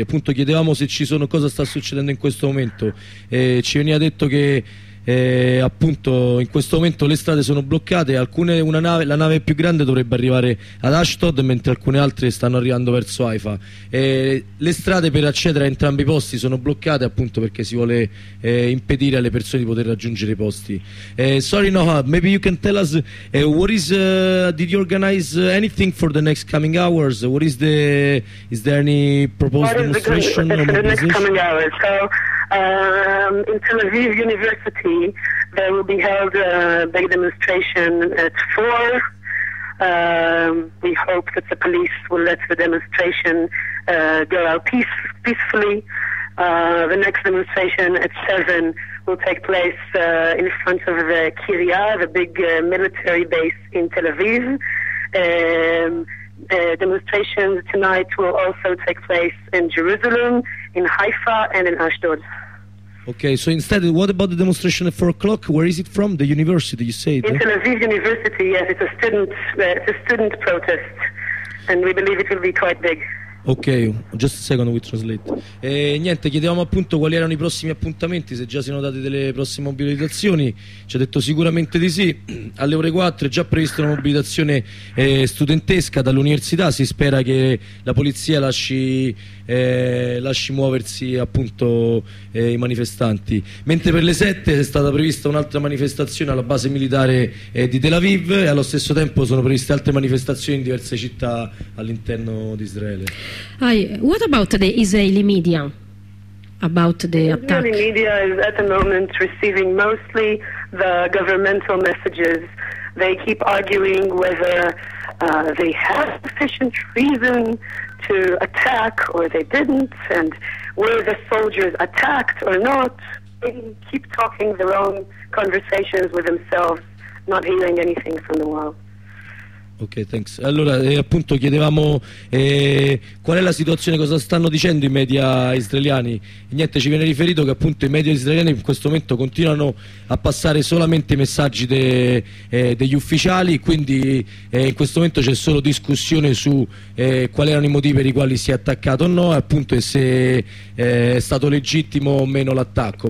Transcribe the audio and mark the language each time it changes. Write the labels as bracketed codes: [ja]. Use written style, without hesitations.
[it] Appunto chiedevamo se ci sono, cosa sta succedendo in questo momento. Ci veniva detto che appunto in questo momento le strade sono bloccate, la nave più grande dovrebbe arrivare ad Ashdod, mentre alcune altre stanno arrivando verso Haifa. Le strade per accedere a entrambi i posti sono bloccate, appunto perché si vuole impedire alle persone di poter raggiungere i posti. [en] Sorry Noah, maybe you can tell us what is did you organize anything for the next coming hours? What is the, is there any proposed demonstration for the next coming hours? In Tel Aviv University, there will be held a big demonstration at 4. We hope that the police will let the demonstration go out peacefully. The next demonstration at 7 will take place in front of the Kiryah, the big military base in Tel Aviv. The demonstration tonight will also take place in Jerusalem, in Haifa, and in Ashdod. Okay, so instead, what about the demonstration at 4 o'clock? Where is it from? The university, you say? In Tel Aviv University, yes. It's a student protest, and we believe it will be quite big. Ok, just a second, we translate. [it] E niente, chiedevamo appunto quali erano i prossimi appuntamenti, se già si sono date delle prossime mobilitazioni. Ci ha detto sicuramente di sì. Alle ore 4 è già prevista una mobilitazione studentesca dall'università. Si spera che la polizia lasci muoversi appunto i manifestanti. Mentre per le 7 è stata prevista un'altra manifestazione alla base militare di Tel Aviv, e allo stesso tempo sono previste altre manifestazioni in diverse città all'interno di Israele. [en] Hi, what about the Israeli media about the attack? Israeli media is at the moment receiving mostly the governmental messages. They keep arguing whether they have sufficient reason to attack or they didn't, and were the soldiers attacked or not. They keep talking their own conversations with themselves, not hearing anything from the world. Ok, thanks. [it] Allora, appunto chiedevamo qual è la situazione, cosa stanno dicendo i media israeliani. Niente, ci viene riferito che appunto i media israeliani in questo momento continuano a passare solamente i messaggi degli ufficiali, quindi in questo momento c'è solo discussione su quali erano i motivi per i quali si è attaccato o no, appunto, e se è stato legittimo o meno l'attacco.